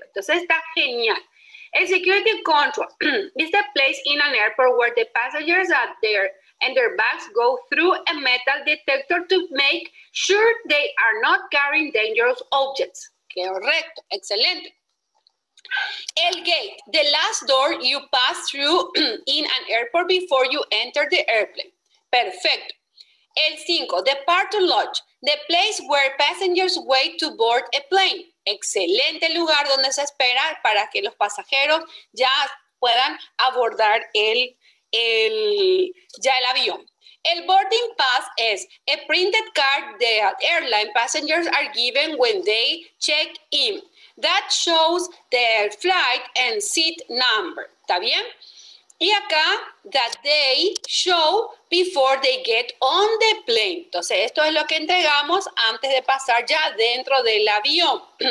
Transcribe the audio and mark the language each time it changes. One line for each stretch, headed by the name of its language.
Spanish: Entonces está genial.
English: El security control is the place in an airport where the passengers are there and their bags go through a metal detector to make sure they are not carrying dangerous objects.
Spanish: Correcto. Excelente.
English: El gate, the last door you pass through in an airport before you enter the airplane.
Spanish: Perfecto.
English: El 5, the departure lodge, the place where passengers wait to board a plane.
Spanish: Excelente lugar donde se espera para que los pasajeros ya puedan abordar el avión.
English: El boarding pass is a printed card that airline passengers are given when they check in. That shows their flight and seat number.
Spanish: ¿Está bien? Y acá,
English: that they show before they get on the plane.
Spanish: Entonces, esto es lo que entregamos antes de pasar ya dentro del avión.